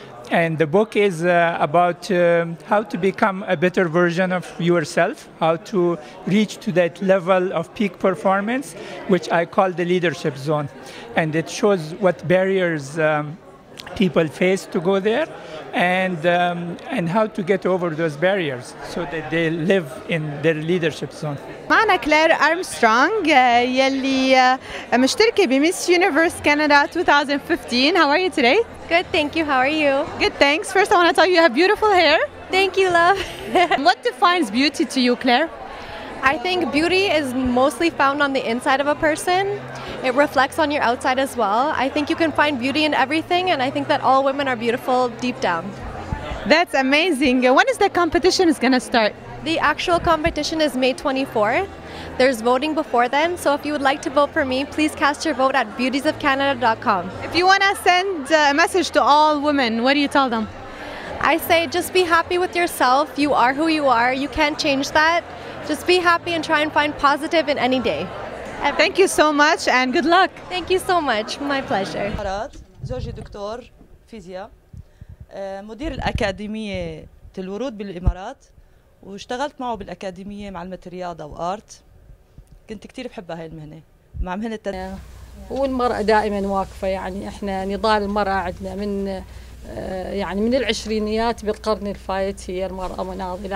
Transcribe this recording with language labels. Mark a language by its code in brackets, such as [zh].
[en] And the book is about how to become a better version of yourself, how to reach to that level of peak performance, which I call the leadership zone. And it shows what barriers people face to go there, and how to get over those barriers so that they live in their leadership zone. [ar] معنا كلير أرمسترونغ يلي مشتركة بميس يونيفرس كندا 2015. [en] How are you today? Good, thank you. How are you? Good, thanks. First, I want to tell you have beautiful hair. Thank you, love. What defines beauty to you, Claire? I think beauty is mostly found on the inside of a person. It reflects on your outside as well. I think you can find beauty in everything, and I think that all women are beautiful deep down. That's amazing. When is the competition is going to start? The actual competition is May 24th. There's voting before then, so if you would like to vote for me, please cast your vote at beautiesofcanada.com. If you want to send a message to all women, what do you tell them? I say just be happy with yourself. You are who you are. You can't change that. Just be happy and try and find positive in any day. Thank you so much and good luck. Thank you so much. My pleasure. [ar] مرات زوجي دكتور فيزياء، مدير الأكاديمية للورود بالإمارات، واشتغلت معه بالأكاديمية مع الرياضة وآرت. كنت كتير بحبها هاي المهنة مع مهنة والمرأة دائما واقفة، يعني احنا نضال المرأة عندنا من يعني من العشرينيات بالقرن الفايت، هي المرأة مناضلة.